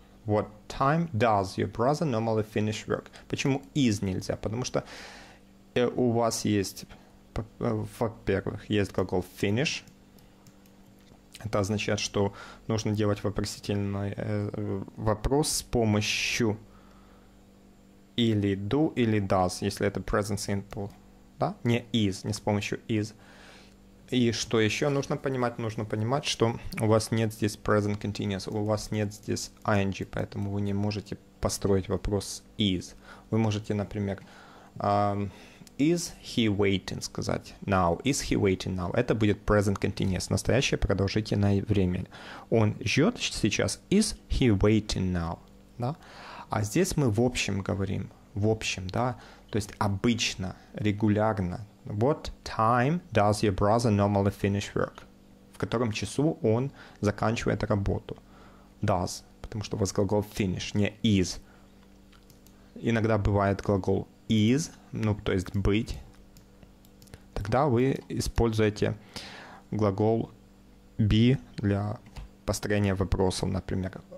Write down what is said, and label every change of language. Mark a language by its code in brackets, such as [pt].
[en] What time does your brother normally finish work? [ru] Почему is нельзя? Потому что у вас есть, во-первых, есть глагол finish. Это означает, что нужно делать вопросительный вопрос с помощью или do, или does, если это present simple. Да? Не is, не с помощью is. И что еще нужно понимать? Нужно понимать, что у вас нет здесь present continuous, у вас нет здесь ing, поэтому вы не можете построить вопрос is. Вы можете, например, [en] is he waiting, [ru] сказать [en] now, is he waiting now. [ru] Это будет present continuous, настоящее продолжительное время. Он ждет сейчас, [en] is he waiting now, [ru] да? А здесь мы в общем говорим, в общем, да, то есть обычно, регулярно. [en] What time does your brother normally finish work? [ru] В котором часу он заканчивает работу? Does, потому что у вас глагол finish, не is. Иногда бывает глагол is, ну, то есть быть. Тогда вы используете глагол be для построения вопросов, например.